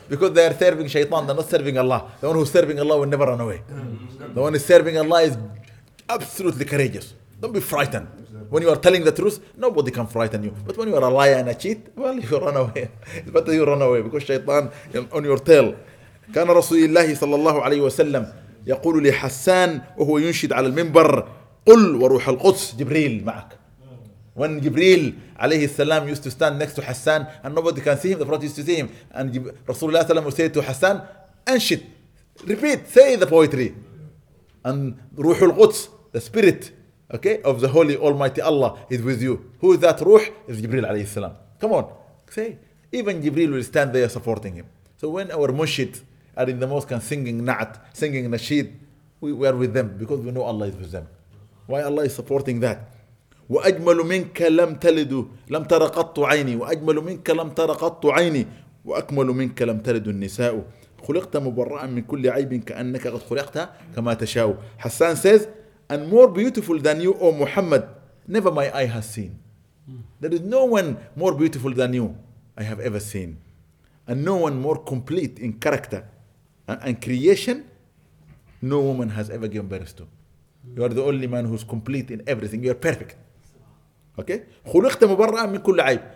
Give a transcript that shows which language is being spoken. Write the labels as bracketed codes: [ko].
[en] Because they are serving Shaitan, they're not serving Allah. The one who's serving Allah will never run away. The one who's serving Allah is absolutely courageous. Don't be frightened. When you are telling the truth, nobody can frighten you. But when you are a liar and a cheat, well, you run away. It's better you run away because Shaitan is on your tail. [ar] كان رسول الله صلى الله عليه وسلم يقول لحسان وهو ينشد على المنبر قل وروح القدس جبريل معك [en] When Jibril عليه السلام used to stand next to Hassan and nobody can see him, the Prophet used to see him. And Rasulullah sallam would say to Hassan, "Anshit, repeat, say the poetry." And Ruh al-Quds, the spirit, okay, of the Holy Almighty Allah is with you. Who is that Ruh? Is Jibril عليه السلام. Come on, say. Even Jibril will stand there supporting him. So when our Murshid are in the mosque and singing Na'at, singing Nasheed, we are with them because we know Allah is with them. Why Allah is supporting that? [ar] وأجمل منك لم تلد لم تر قط عيني وأجمل منك لم تر قط عيني وأكمل منك لم تلد النساء خلقت مبرئا من كل عيب كأنك قد خلقت كما تشاء. [en] حسان says, and more beautiful than you, O Muhammad, never my eye has seen. There is no one more beautiful than you I have ever seen, and no one more complete in character and creation no woman has ever given birth to. You are the only man who is complete in everything. You are perfect. [ar] Okay, خلقت مبرئا من كل عيب.